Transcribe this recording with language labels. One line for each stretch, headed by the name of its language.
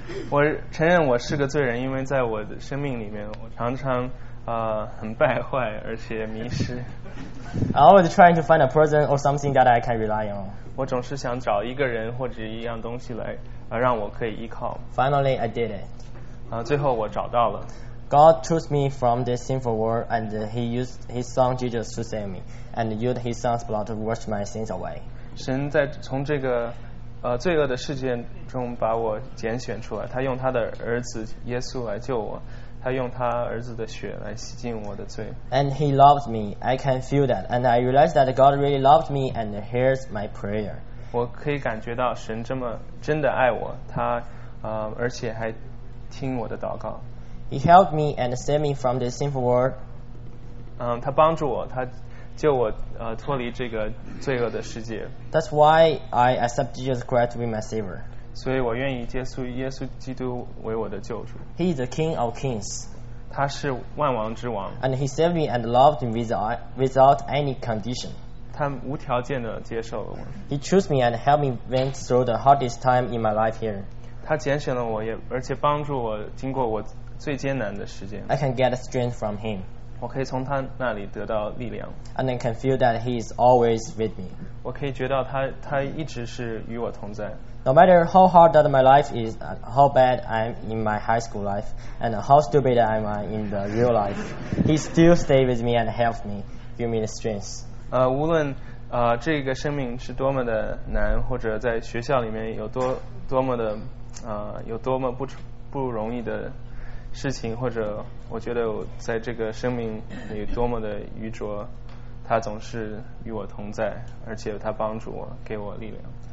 Chinese: 我承认我是个罪人，因为在我的生命里面，我常常很败坏，而且迷失。
English: I always trying to find a person or something that I can rely on.
Chinese: 我总是想找一个人或者一样东西来让我可以依靠。
English: Finally, I did it.
Chinese: 最后我找到了。
English: God chose me from this sinful world, and He used His Son Jesus to save me, and used His Son's blood to wash my sins away.
Chinese: 神在从这个罪恶的世界中把我拣选出来，他用他的儿子耶稣来救我，他用他儿子的血来洗净我的罪。
English: And He loves me. I can feel that, and I realize that God really loves me and hears my prayer.
Chinese: 我可以感觉到神这么真的爱我，他而且还听我的祷告。
English: He helped me and saved me from this sinful world.
Chinese: 他帮助我，他救我脱离这个罪恶的世界。
English: That's why I accept Jesus Christ to be my savior.
Chinese: 所以我愿意接受耶稣基督为我的救主。
English: He is the King of Kings.
Chinese: 他是万王之王。
English: And He saved me and loved me without any condition.
Chinese: 他无条件的接受了我。
English: He chose me and helped me went through the hardest time in my life here.
Chinese: 他拣选了我，也而且帮助我经过我最艰难的时间。
English: I can get strength from Him.
Chinese: 我可以从他那里得到力量。
English: And I can feel that He is always with me.
Chinese: 我可以觉到他一直是与我同在。
English: No matter how hard that my life is, how bad I'm in my high school life, and how stupid I'm in the real life, He still stays with me and helps me, give me the strength.
Chinese: 无论这个生命是多么的难，或者在学校里面有多么的有多么不容易的事情，或者我觉得我在这个生命里多么的愚拙，他总是与我同在，而且他帮助我，给我力量。